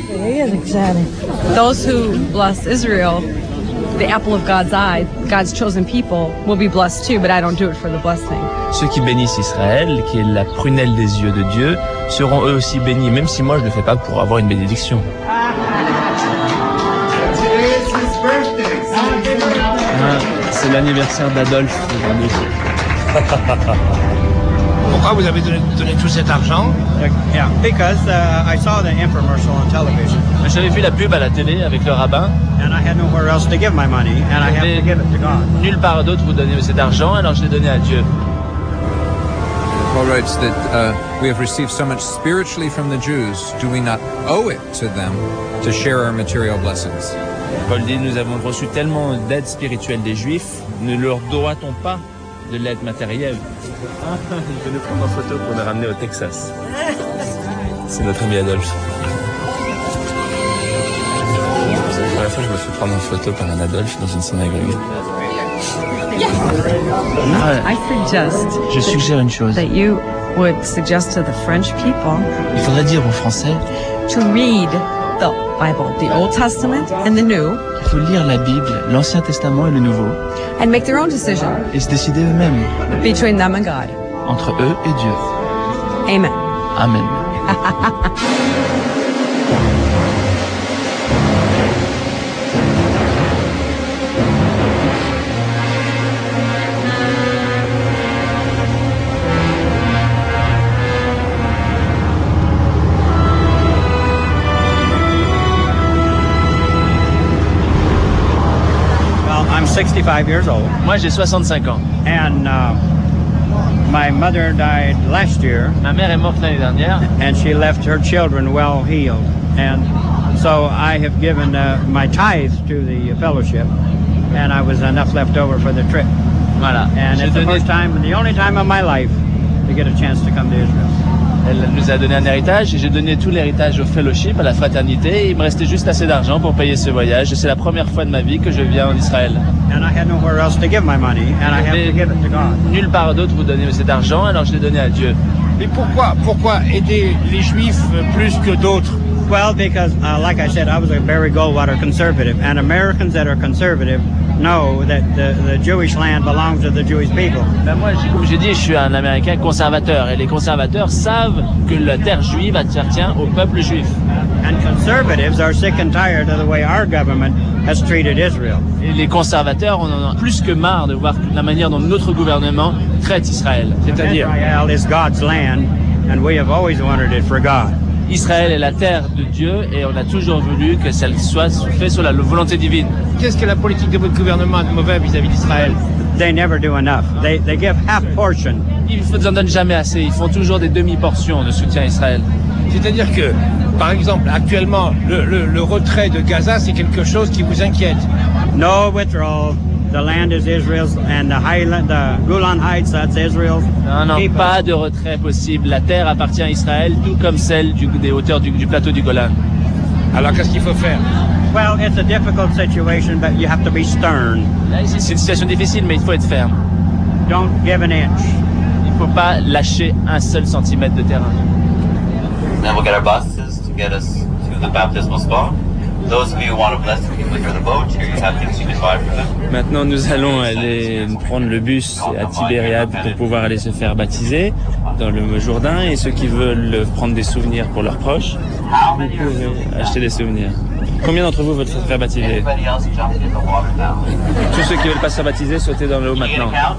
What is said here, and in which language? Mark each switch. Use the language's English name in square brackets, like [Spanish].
[English] Those who bless Israel, the apple of God's eye, God's chosen people, will be blessed too, but I don't do it for the blessing. [French] Ceux qui bénissent Israël, qui est la prunelle des yeux de Dieu, seront eux aussi bénis, même si moi je ne le fais pas pour avoir une bénédiction. Ah, c'est l'anniversaire d'Adolphe. Pourquoi vous avez donné tout cet argent? [English] Because I saw the infomercial on television. [French] J'avais vu la pub à la télé avec le rabbin. [English] And I had nowhere else to give my money, and I have to give it to God. [French] Nulle part d'autre vous donner cet argent, alors je l'ai donné à Dieu. [English] Paul writes that we have received so much spiritually from the Jews, do we not owe it to them to share our material blessings? [French] Paul dit, nous avons reçu tellement d'aide spirituelle des Juifs, ne leur doit-on pas de l'aide matérielle? Je vais nous prendre en photo pour nous ramener au Texas. C'est notre ami Adolphe. La première fois, je me suis prendre en photo par un Adolphe dans une synagogue. Je suggère une chose. [English] That you would suggest to the French people. [French] Il faudrait dire aux Français. [English] To read the Bible, the Old Testament and the New. [French] Il faut lire la Bible, l'Ancien Testament et le Nouveau. [English] And make their own decision. [French] Et se décider eux-mêmes. [English] Between them and God. [French] Entre eux et Dieu. [English] Amen. [French] Amen. Moi, j'ai 65 ans. [English] And my mother died last year. [French] Ma mère est morte l'année dernière. [English] And she left her children well healed. And so I have given my tithe to the fellowship. And I was enough left over for the trip. [French] Voilà. [English] And it's the first time, the only time of my life, to get a chance to come to Israel. [French] Elle nous a donné un héritage et j'ai donné tout l'héritage au fellowship, à la fraternité. Il me restait juste assez d'argent pour payer ce voyage. C'est la première fois de ma vie que je viens en Israël. [English] And I had nowhere else to give my money, and I have to give it to God. [French] Nulle part d'autre vous donner cet argent, alors je l'ai donné à Dieu. Mais pourquoi aider les Juifs plus que d'autres? [English] Well, because, like I said, I was a Barry Goldwater conservative, and Americans that are conservative know that the Jewish land belongs to the Jewish people. [French] Ben moi, comme j'ai dit, je suis un Américain conservateur, et les conservateurs savent que la terre juive appartient au peuple juif. [English] And conservatives are sick and tired of the way our government has treated Israel. [French] Et les conservateurs en ont plus que marre de voir la manière dont notre gouvernement traite Israël. C'est-à-dire, [English] Israel is God's land, and we have always wanted it for God. [French] Israël est la terre de Dieu et on a toujours voulu que celle soit faite sur la volonté divine. Qu'est-ce que la politique de votre gouvernement a de mauvais vis-à-vis d'Israël? [English] They never do enough. They give half portion. [French] Ils en donnent jamais assez. Ils font toujours des demi-portions de soutien à Israël. C'est-à-dire que, par exemple, actuellement, le retrait de Gaza, c'est quelque chose qui vous inquiète? [English] No withdrawal. The land is Israel's and the highland, the Golan Heights, that's Israel's. [French] Non, non, pas de retrait possible. La terre appartient à Israël, tout comme celle des hauteurs du plateau du Golan. Alors, qu'est-ce qu'il faut faire? [English] Well, it's a difficult situation, but you have to be stern. [French] C'est une situation difficile, mais il faut être ferme. [English] Don't give an inch. [French] Il ne faut pas lâcher un seul centimètre de terrain. [English] Now we'll get our buses to get us to the baptismal spot. Those of you who want to bless the people for the boat, here you have things you can buy for them. [French] Maintenant, nous allons aller prendre le bus à Tibériade pour pouvoir aller se faire baptiser dans le Jourdain. Et ceux qui veulent prendre des souvenirs pour leurs proches, vous pouvez acheter des souvenirs. Combien d'entre vous veulent se faire baptiser? Tous ceux qui veulent pas se faire baptiser, sautez dans l'eau maintenant.